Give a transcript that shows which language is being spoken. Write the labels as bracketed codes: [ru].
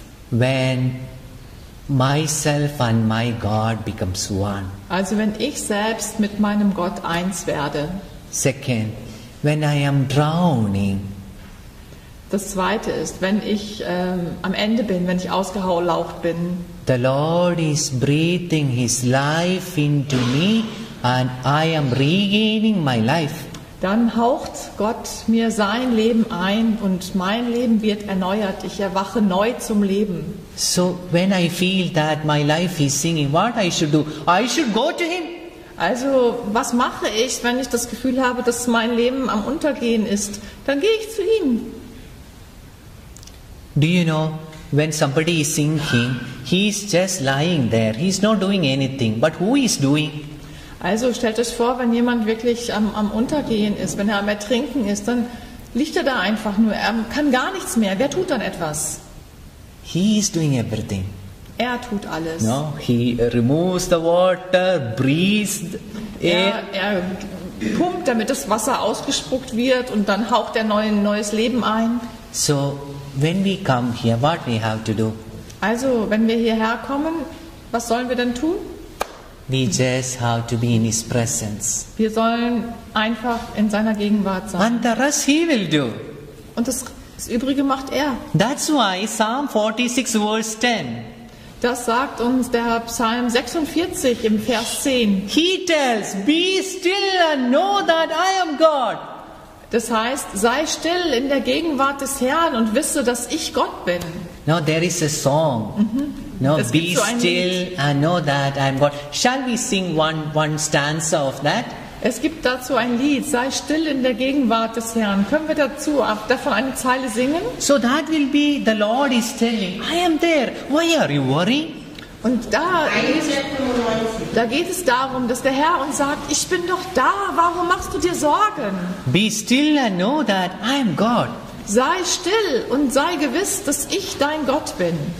[en] When myself and my God becomes one. [de] Also, wenn ich selbst mit meinem Gott eins werde. [en] Second, when I am drowning. [de] Das zweite ist, wenn ich am Ende bin, wenn ich ausgehaucht bin. [en] The Lord is breathing his life into me and I am regaining my life. [de] Dann haucht Gott mir sein Leben ein und mein Leben wird erneuert. Ich erwache neu zum Leben. [en] So when I feel that my life is singing, what I should do? I should go to him. [de] Also, was mache ich, wenn ich das Gefühl habe, dass mein Leben am Untergehen ist? Dann gehe ich zu ihm. [en] Do you know, when somebody is sinking, he is just lying there. He is not doing anything. But who is doing? [de] Also, stellt euch vor, wenn jemand wirklich am Untergehen ist, wenn er am Ertrinken ist, dann liegt er da einfach nur. Er kann gar nichts mehr. Wer tut dann etwas? [en] He is doing everything. [de] Er tut alles. [en] No, he removes the water, breathes. [de] Er pumpt, damit das Wasser ausgespuckt wird und dann haucht er neues Leben ein. [en] So, when we come here, what we have to do? [de] Also, wenn wir hierher kommen, was sollen wir dann tun? [en] We just have to be in his presence. [de] Wir sollen einfach in seiner Gegenwart sein. [en] And the rest he will do. [de] Und das Übrige macht er. [en] That's why Psalm 46, verse 10. [de] Das sagt uns der Psalm 46 im Vers 10. [en] He tells, be still and know that I am God. [de] Das heißt, sei still in der Gegenwart des Herrn und wisse, dass ich Gott bin. [en] No, there is a song. Mm-hmm. No, be still and know that I am God. Shall we sing one stanza of that? [de] Es gibt dazu ein Lied, sei still in der Gegenwart des Herrn. Können wir dazu davon eine Zeile singen? [en] So that will be the Lord is telling, I am there. Why are you worrying? [de] Und da geht es darum, dass der Herr uns sagt, ich bin doch da, warum machst du dir Sorgen? [en] Be still and know that I am God. [de] Sei still und sei gewiss, dass ich dein Gott bin.